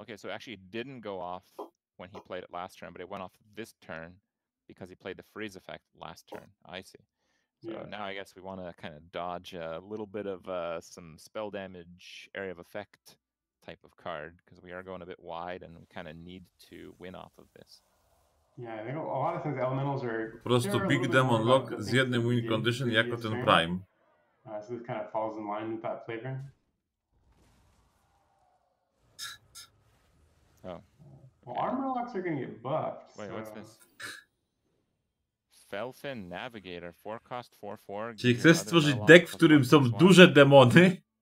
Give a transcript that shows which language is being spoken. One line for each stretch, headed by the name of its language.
English: Okay, so actually it didn't go off when he played it last turn, but it went off this turn because he played the freeze effect last turn. I see. So now I guess we want to kind of dodge a little bit of some spell damage, area of effect type of card because we are going a bit wide and we kind of need to win off of this. Yeah, I think a lot of times elementals are...
Polish: Prosto big demon lock z jednym win condition jako ten prime.
English: So this kind of falls in line with that flavor. Oh. Well, armor locks are going to get buffed. Wait, so... what's this? Felfin Navigator, 4 cost, 4/4.
Polish: Czy chcesz stworzyć deck, w którym są duże demony?